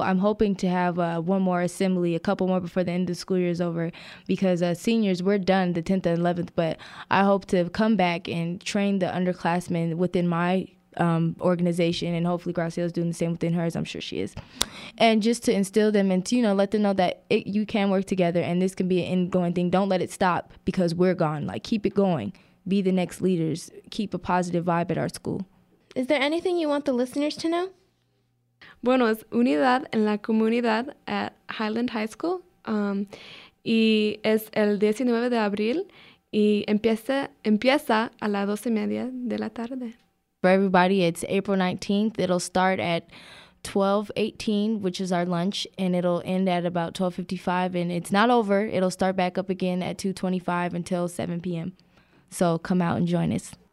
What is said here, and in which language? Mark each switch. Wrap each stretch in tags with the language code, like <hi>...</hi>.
<en>I'm hoping to have one more assembly, a couple more before the end of the school year is over, because seniors, we're done the 10th and 11th, but I hope to come back and train the underclassmen within my organization, and hopefully Graciela's doing the same within hers. I'm sure she is. And just to instill them and to, you know, let them know that you can work together and this can be an ongoing thing. Don't let it stop because we're gone. Like, keep it going. Be the next leaders. Keep a positive vibe at our school. Is there anything you want the listeners to know?</en> <es>Bueno, es unidad en la comunidad at Highland High School. Y es el 19 de abril y empieza a las 12:30 de la tarde.</es> <en>For everybody, it's April 19th. It'll start at 12:18, which is our lunch, and it'll end at about 12:55, and it's not over. It'll start back up again at 2:25 until 7 p.m. So come out and join us.</en>